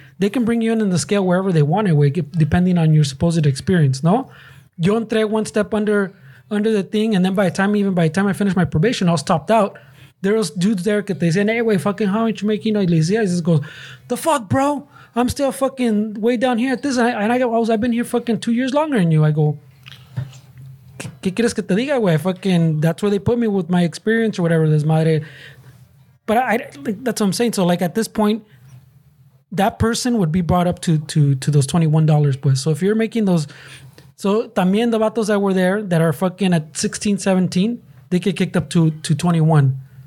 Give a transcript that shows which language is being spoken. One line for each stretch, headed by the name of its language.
English: They can bring you in the scale wherever they want it, way, depending on your supposed experience, no?
Spanish: Yo entré
English: one step under the thing, and then by the time I finished my probation, I was topped out. There was dudes there that they said, hey, wey, fucking, how much you making? You know, he just goes, the fuck, bro? I'm still fucking way down here at this. I've been here fucking 2 years longer than you.
Spanish: I go, ¿qué quieres que te diga, güey?
English: Fucking, that's where they put me with my experience or whatever, this madre. But that's what I'm saying. So, like, at this point, that person would be brought up to those $21, pues. So, if you're making those... So,
Spanish: también
English: the vatos that were there that are fucking at 16, 17, they get kicked up to 21.